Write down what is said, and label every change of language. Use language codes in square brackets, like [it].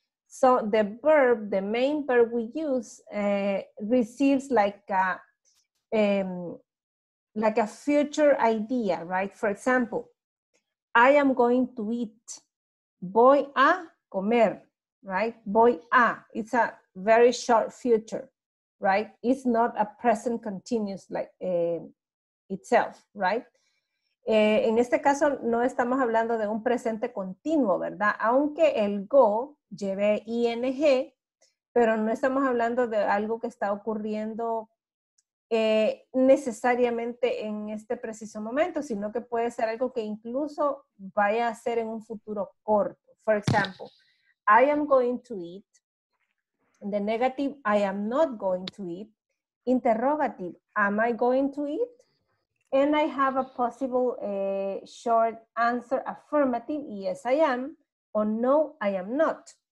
[en] So the verb, the main verb we use, receives like a future idea, right? For example, I am going to eat. [es] Voy a comer, [en] right? Voy a. It's a very short future. Right? It's not a present continuous like itself, right? [es] En este caso, no estamos hablando de un presente continuo, ¿verdad? Aunque el go lleve ing, pero no estamos hablando de algo que está ocurriendo necesariamente en este preciso momento, sino que puede ser algo que incluso vaya a ser en un futuro corto. [en] For example, I am going to eat. The negative, I am not going to eat. Interrogative, am I going to eat? And I have a possible short answer, affirmative, yes, I am, or no, I am not.